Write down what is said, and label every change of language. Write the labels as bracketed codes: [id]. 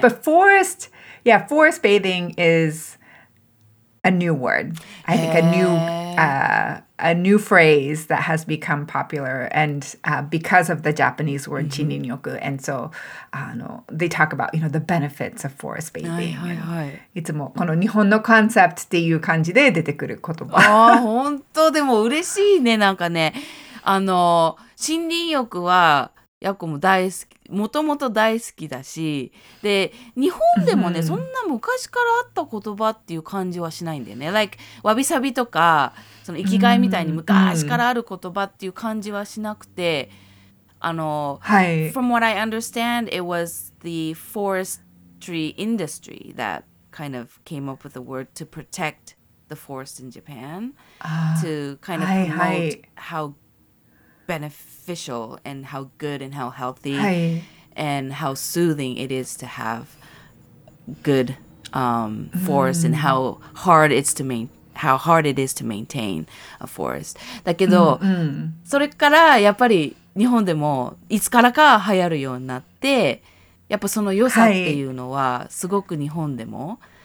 [en] But forest, yeah, forest bathing is... A new word. I think a new phrase that has become popular and because of the Japanese word 森林浴. And so they talk about, you know, the benefits of forest bathing. [ja] はいはいはい。いつもこの日本のコンセプトっていう感じで出てくる言葉。ああ、本当。でも嬉しいね。なんかね、森林浴はヤコも大好き、もともと大好きだし、で日本でもね、そんな昔からあった言葉っていう感じはしないんだよね。 [en] Like [ja] わびさびとか、その生きがいみたいに昔からある言葉っていう感じはしなくて、 [en] From what I understand, it was the forestry industry that kind of came up with the word to protect the forest in Japan, to kind of promote how beneficial and how good and how healthy and how soothing it is to have good forest and how hard it is to maintain a forest. [ja] だけど、それからやっぱり日本でもいつからか流行るようになって、やっぱその良さっていうのはすごく日本でも